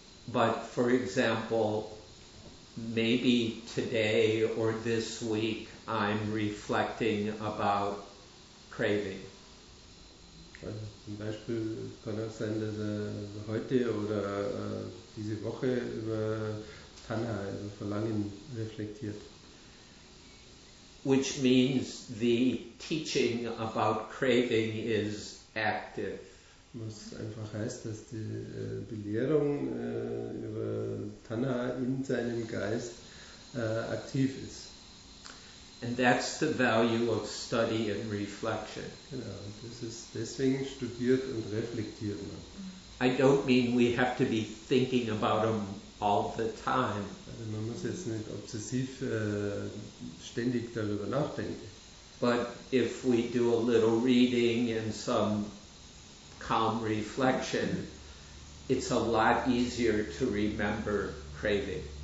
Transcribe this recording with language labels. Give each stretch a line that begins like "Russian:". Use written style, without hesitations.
English: But for example, maybe today or this week I'm reflecting about craving.
German: Zum Beispiel kann auch sein, dass heute oder diese Woche über Tanha, über Verlangen, reflektiert.
English: Which means the teaching about craving is active.
German: Was einfach heißt, dass die Belehrung über Tanha in seinem Geist aktiv ist.
English: And that's the value of study and reflection.
German: Genau, das ist deswegen studiert und reflektiert man.
English: I don't mean we have to be thinking about them all the time.
German: Also man muss jetzt nicht obsessiv ständig darüber nachdenken.
English: But if we do a little reading and some calm reflection, it's a lot easier to remember craving.